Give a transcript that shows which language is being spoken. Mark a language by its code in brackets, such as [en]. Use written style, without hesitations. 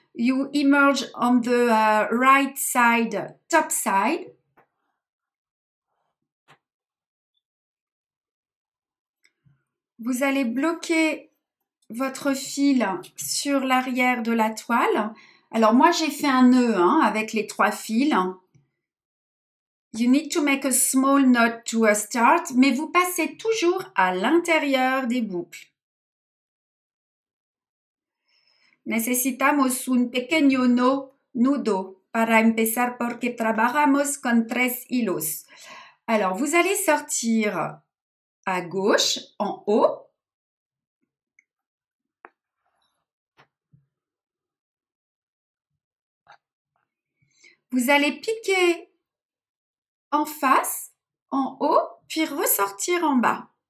[en] You emerge on the right side, top side. [fr] Vous allez bloquer votre fil sur l'arrière de la toile. Alors, moi, j'ai fait un nœud hein, avec les trois fils. [en] You need to make a small knot to a start. [fr] Mais vous passez toujours à l'intérieur des boucles. [es] Necesitamos un pequeño nudo para empezar porque trabajamos con tres hilos. [fr] Alors, vous allez sortir à gauche, en haut. Vous allez piquer en face, en haut, puis ressortir en bas.